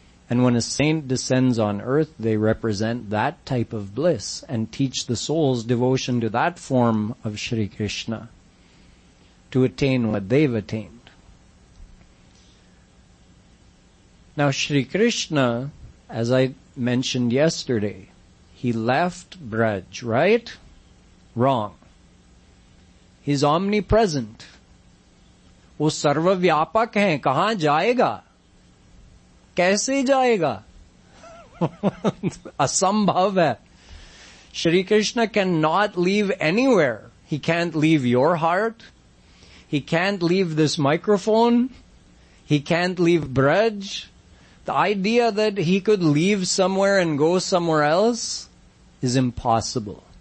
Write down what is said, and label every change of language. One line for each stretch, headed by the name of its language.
English: And when a saint descends on earth, they represent that type of bliss and teach the souls devotion to that form of Shri Krishna to attain what they've attained. Now, Shri Krishna, as I mentioned yesterday, he left Braj, right? Wrong. He's omnipresent.
Hindi: वो सर्व व्यापक हैं, कहाँ जायेगा? कैसे जायेगा? असंभव है।
English: Shri Krishna cannot leave anywhere. He can't leave your heart. He can't leave this microphone. He can't leave Braj. The idea that he could leave somewhere and go somewhere else is impossible.